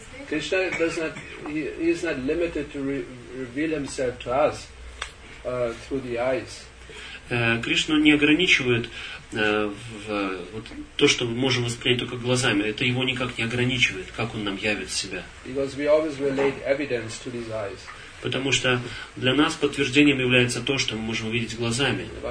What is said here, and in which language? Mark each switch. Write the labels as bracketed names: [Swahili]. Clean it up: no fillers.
[English] Krishna does not, he is not limited to reveal himself to us through the eyes. [Russian] Кришна не ограничивает вот то, что мы можем воспринять только глазами. Это его никак не ограничивает, как он нам явит себя. [English] Because we always relate evidence to these eyes. [Russian] Потому что для нас подтверждением является то, что мы можем увидеть глазами.